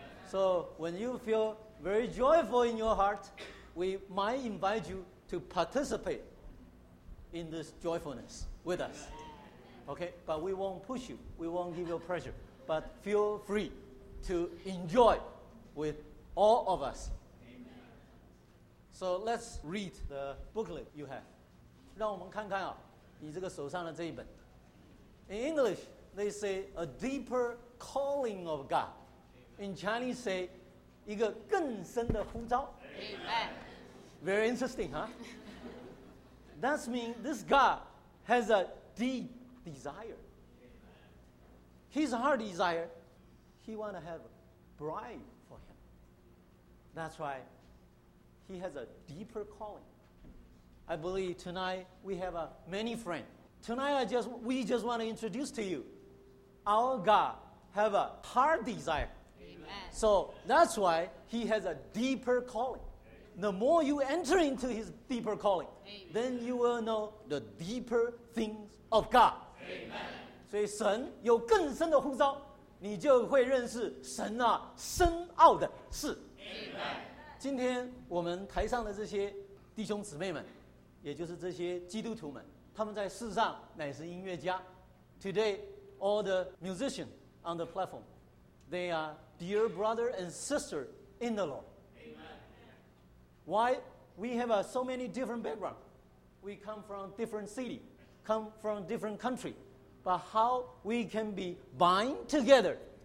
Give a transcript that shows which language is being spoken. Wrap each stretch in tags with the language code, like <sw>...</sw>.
<en>So when you feel very joyful in your heart, we might invite you to participate in this joyfulness with us. Okay? But we won't push you. We won't give you pressure. But feel free to enjoy with all of us. So let's read the booklet you have.</en> <zh>让我们看看啊, 你这个手上的这一本。</zh> <en>In English, they say a deeper calling of God. In Chinese, say,</en> <zh>一个更深的呼召.</zh> <en>Amen. Very interesting, huh? That means this God has a deep desire. His heart desire, he want to have a bride for him. That's why he has a deeper calling. I believe tonight we have many friends. Tonight we just want to introduce to you, our God have a heart desire. So that's why he has a deeper calling. The more you enter into his deeper calling, Amen. Then you will know the deeper things of God. Amen.</en> <zh>所以神有更深的呼召, 你就会认识神啊深奥的事。</zh> <en>Amen.</en> <zh>今天我们台上的这些弟兄姊妹们, 也就是这些基督徒们, 他们在世上乃是音乐家。</zh> <en>Today, all the musicians on the platform, they are dear brother and sister in the Lord. Amen. Why? We have so many different backgrounds. We come from different city, come from different country. But how we can be bind together?</en>